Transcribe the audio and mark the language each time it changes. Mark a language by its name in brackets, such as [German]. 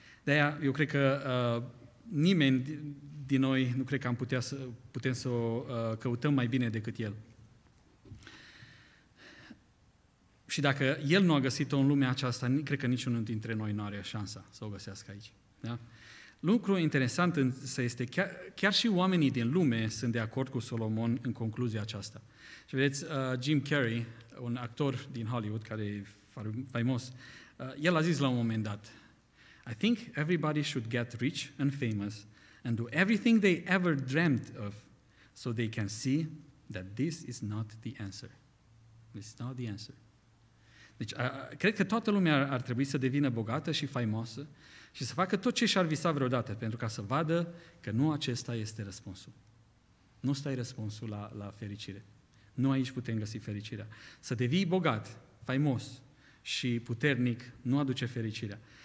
[Romanian] De-aia, eu cred că nimeni din noi nu cred că am putea putem să o căutăm mai bine decât el. Și dacă el nu a găsit-o în lumea aceasta, cred că niciunul dintre noi nu are șansa să o găsească aici. Da? Lucru interesant însă este, chiar și oamenii din lume sunt de acord cu Solomon în concluzia aceasta. Și vedeți, Jim Carrey, un actor din Hollywood care e faimos, el a zis la un moment dat, [English] I think everybody should get rich and famous and do everything they ever dreamt of so they can see that this is not the answer. This is not the answer. [Romanian] Deci, cred că toată lumea ar trebui să devină bogată și faimoasă și să facă tot ce și-ar visa vreodată, pentru ca să vadă că nu acesta este răspunsul. Nu ăsta e răspunsul la fericire. Nu aici putem găsi fericirea. Să devii bogat, faimos și puternic nu aduce fericirea.